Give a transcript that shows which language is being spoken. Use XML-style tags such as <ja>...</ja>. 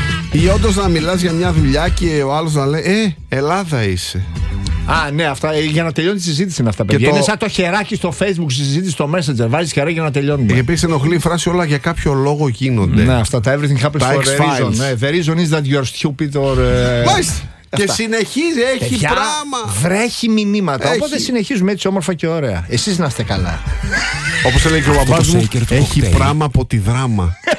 <el>Ή όντως να μιλάς για μια δουλειά και ο άλλος να λέει, Ελλάδα είσαι. Α, ναι, αυτά, για να τελειώνει τη συζήτηση είναι αυτά, παιδιά. Και είναι σαν το χεράκι στο Facebook, στη συζήτηση στο Messenger. Βάζει χερά για να τελειώνουμε. Και επίσης ενοχλεί η φράση, όλα για κάποιο λόγο γίνονται. Ναι, αυτά τα</el> <en>everything happens for a reason. The reason is that you're stupid or.</en> <el>Μάλιστα. Και συνεχίζει, έχει για πράγμα. Βρέχει μηνύματα. Έχει. Οπότε συνεχίζουμε έτσι όμορφα και ωραία. Εσείς να είστε καλά. Όπως έλεγε και ο μπαμπάς μου, έχει πράγμα από τη δράμα.</el>